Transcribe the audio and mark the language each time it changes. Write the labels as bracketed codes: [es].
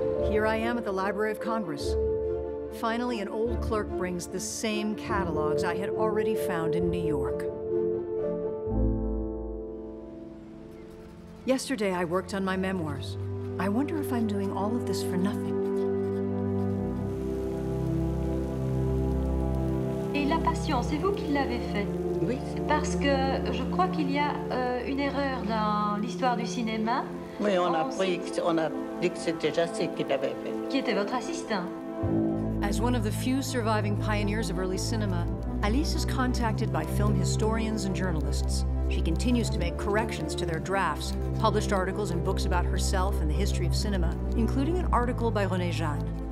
[en] Here I am at the Library of Congress. Finally, an old clerk brings the same catalogs I had already found in New York. Yesterday, I worked on my memoirs. I wonder if I'm doing all of this for nothing. [fr] Et la passion, c'est vous qui l'avez fait? Oui. Parce que je crois qu'il y a une erreur dans l'histoire du cinéma. Oui, on a dit que c'était Jassy qui l'avait fait. Qui était votre assistant? [en] As one of the few surviving pioneers of early cinema, Alice is contacted by film historians and journalists. She continues to make corrections to their drafts, published articles and books about herself and the history of cinema, including an article by René Jeanne.